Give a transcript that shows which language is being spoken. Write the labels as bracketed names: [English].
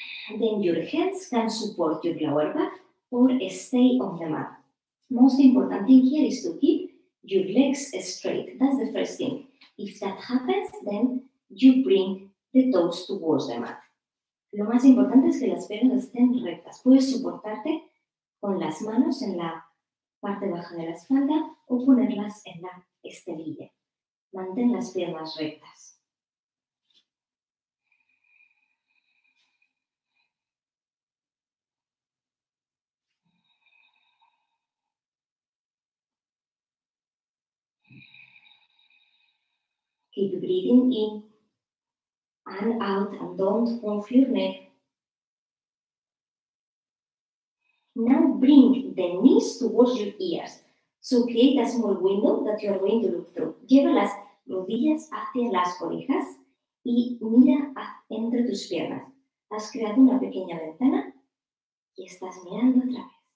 [English] Then your hands can support your lower back or stay on the mat. Most important thing here is to keep your legs straight. That's the first thing. If that happens, then you bring the toes towards the mat. [Spanish] Lo más importante es que las piernas estén rectas. Puedes soportarte con las manos en la parte baja de la espalda o ponerlas en la esterilla. Mantén las piernas rectas. [English] Keep breathing in and out and don't move your neck. Now bring the knees towards your ears. So create a small window that you are going to look through. [Spanish] Lleva las rodillas hacia las orejas y mira entre tus piernas. Has creado una pequeña ventana y estás mirando otra vez.